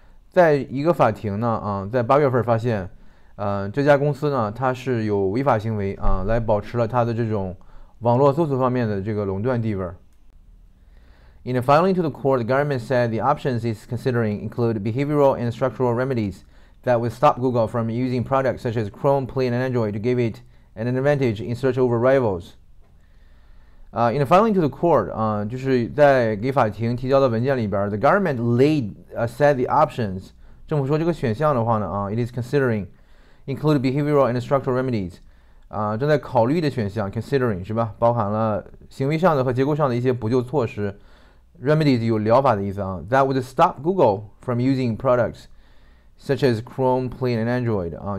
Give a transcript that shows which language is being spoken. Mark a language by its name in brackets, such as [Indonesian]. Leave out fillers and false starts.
[Chinese] 在一个法庭呢，啊，在八月份发现。这家公司呢，它是有违法行为啊，来保持了它的这种网络搜索方面的这个垄断地位。 [English] In a filing to the court, the government said the options it's considering include behavioral and structural remedies that would stop Google from using products such as Chrome, Play, and Android to give it an advantage in search over rivals. In a filing to the court, [Chinese] 就是在给法庭提交的文件里边 [English] ，the government said the options. [Chinese] 政府说这个选项的话呢， [English] it is considering. Include behavioral and structural remedies. [Chinese] 正在考虑的选项 considering 是吧？包含了行为上的和结构上的一些补救措施。 Remedies 有疗法的意思啊。 [English] That would stop Google from using products such as Chrome, Play, and Android.